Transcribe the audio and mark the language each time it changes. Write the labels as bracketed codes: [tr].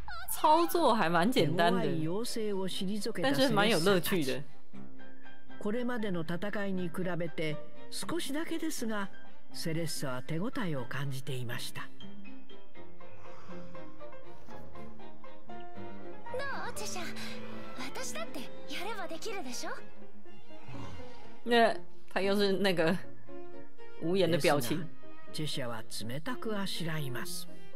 [zh] 操作还蛮简单的，但是蛮有乐趣的。 [ja] これまでの戦いに比べて少しだけですが、セレッソは手応えを感じていました。どう、チェシャ？私だってやればできるでしょ？ [zh] ね、他又是那个无言的表情。 [ja] チェシャは冷たくあしらいます。